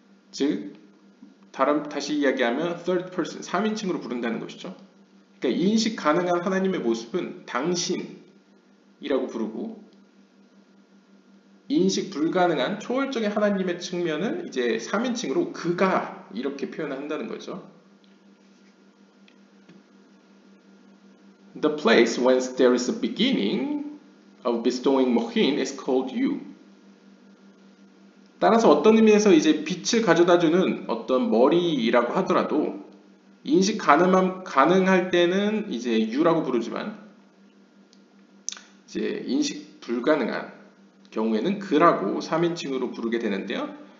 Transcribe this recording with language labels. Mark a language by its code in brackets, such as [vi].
[ko] 즉 다시 이야기하면 [en] third person, [ko] 3인칭으로 부른다는 것이죠. 그러니까 인식 가능한 하나님의 모습은 당신이라고 부르고 인식 불가능한 초월적인 하나님의 측면은 이제 3인칭으로 그가 이렇게 표현한다는 거죠. [en] The place whence there is a beginning of bestowing mohin is called you. [ko] 따라서 어떤 의미에서 이제 빛을 가져다주는 어떤 머리라고 하더라도 인식 가능할 때는 이제 유라고 부르지만 이제 인식 불가능한 경우에는 그라고 3인칭으로 부르게 되는데요.